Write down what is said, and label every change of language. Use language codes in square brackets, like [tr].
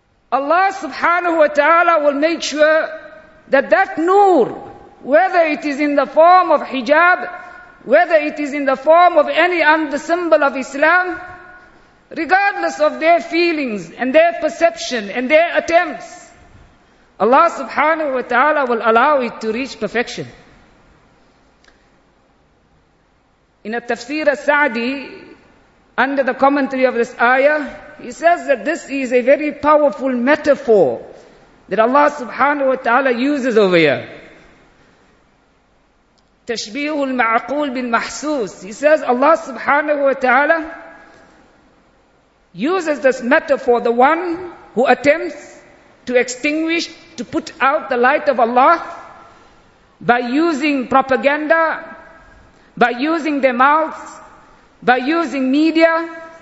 [en] Allah subhanahu wa ta'ala will make sure that that nur, whether it is in the form of hijab, whether it is in the form of any other symbol of Islam, regardless of their feelings and their perception and their attempts, Allah subhanahu wa ta'ala will allow it to reach perfection. In a tafsir al-Sa'di, under the commentary of this ayah, he says that this is a very powerful metaphor that Allah subhanahu wa ta'ala uses over here. [ar] تشبيه المعقول بالمحسوس. [en] He says Allah subhanahu wa ta'ala uses this metaphor, the one who attempts to extinguish, to put out the light of Allah by using propaganda, by using their mouths, by using media.